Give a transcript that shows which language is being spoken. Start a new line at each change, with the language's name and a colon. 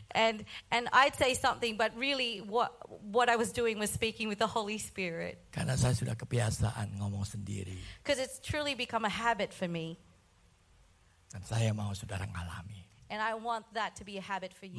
English: And I'd say something, but really what I was doing was speaking with the Holy Spirit.
Indonesian: Karena saya sudah kebiasaan ngomong sendiri.
English: Because it's truly become a habit for me.
Indonesian: Dan saya mau saudara ngalami.
English: And I want that to be a habit for you.